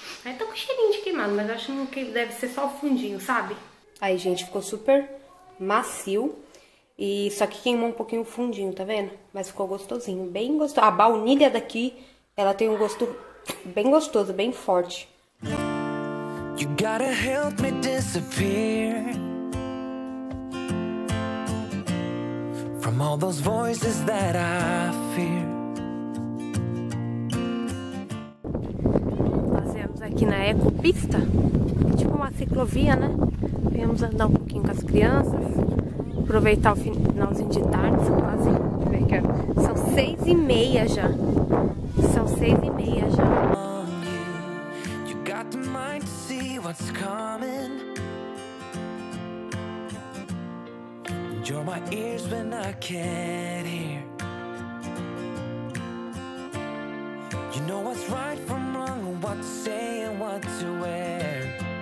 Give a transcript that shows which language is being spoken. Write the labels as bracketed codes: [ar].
[pt] Aí tá com cheirinho de queimado, mas eu acho que deve ser só o fundinho, sabe? Aí, gente, ficou super macio. E só que queimou um pouquinho o fundinho, tá vendo? Mas ficou gostosinho, bem gostoso. A baunilha daqui, ela tem um gosto bem gostoso, bem forte. [en] You gotta help me disappear from all those voices that I fear. [pt] Passeamos aqui na Ecopista, tipo uma ciclovia, né? Viemos andar um pouquinho com as crianças. Aproveitar o finalzinho de tarde, são quase, são 6:30 já. São 6:30 já. [en] You got the mind to see what's coming. You're my ears when I can't hear. You know what's right from wrong, what to say and what to wear.